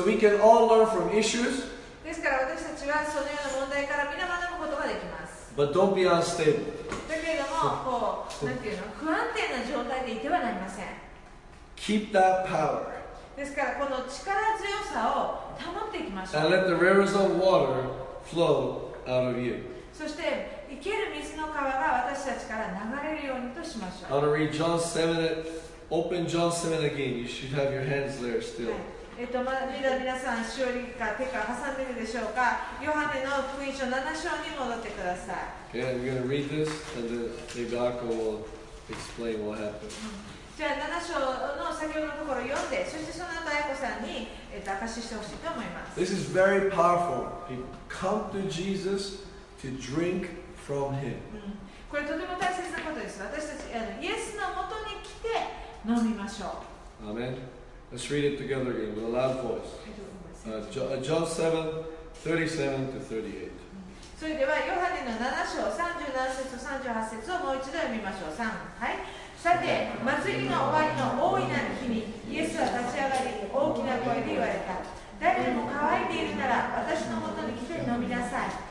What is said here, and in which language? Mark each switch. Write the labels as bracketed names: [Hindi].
[English] So we can all learn from issues. [Japanese] ですから私たちはそのような問題から皆学ぶことができます。 [English] But don't be unstable. [Japanese] だけれども、こう、なんていうの、不安定な状態でいてはなりません。 [English] Keep that power. [Japanese] ですから、この力強さを保っていきましょう。 [English] And let the rivers of water flow out of you. [Japanese] そして、生ける水の川が私たちから流れるようにとしましょう。 [English] I want to read John 7. Open John 7 again. You should have your hands there still. [Japanese] 皆さん、しおりか手か挟んでいるでしょうか。ヨハネの福音書7章に戻ってください。 [English] Okay, I'm going to read this and then maybe Akko will explain what happened. [Japanese] じゃあ7章の先ほどのところ読んで、そしてその後アヤコさんに、証ししてほしいと思います。 [English] This is very powerful. People come to Jesus to drink from him. [Japanese] これとても大切なことです。私たちイエスのもとに来て飲みましょう。 [English] Amen. Let's read it together again with a loud voice. John 7, 37 to 38. [Japanese] それではヨハネの7章37節と38節をもう一度読みましょう。3、はい。さて、祭りの終わりの大いなる日に、イエスは立ち上がり、大きな声で言われた。誰でも乾いているなら、私のもとに来て飲みなさい。